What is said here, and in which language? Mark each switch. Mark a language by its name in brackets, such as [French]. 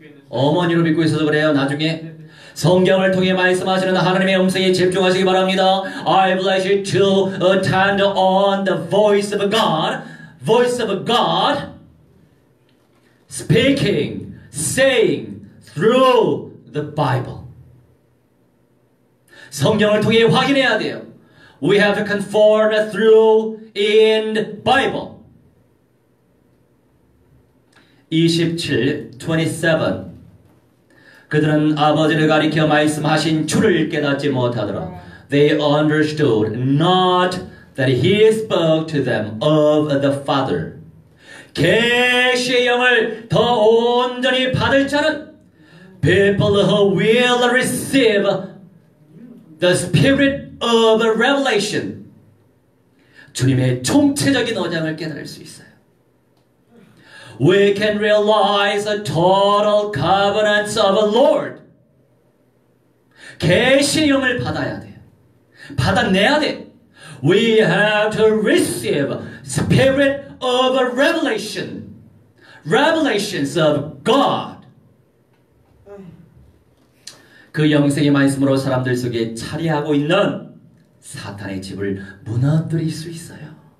[Korean] 어머니로 믿고 있어서 그래요. 나중에 성경을 통해 말씀하시는 하나님의 음성에 집중하시기 바랍니다. [English] I bless you to attend on the voice of God. Voice of God speaking, saying through the Bible. [Korean] 성경을 통해 확인해야 돼요. [English] We have to conform through in the Bible. [Korean] 27, 27. 그들은 아버지를 가리켜 말씀하신 주를 깨닫지 못하더라. [English] They understood not that he spoke to them of the Father. [Korean] 계시의 영을 더 온전히 받을 자는 [English] people who will receive the spirit of revelation. [Korean] 주님의 총체적인 언약을 깨달을 수 있어요. [English] We can realize the total covenants of the Lord. [Korean] 계시의 영을 받아야 돼요. 받아내야 돼. [English] We have to receive spirit of revelation. Revelations of God. [Korean] 그 영생의 말씀으로 사람들 속에 차리하고 있는 사탄의 집을 무너뜨릴 수 있어요.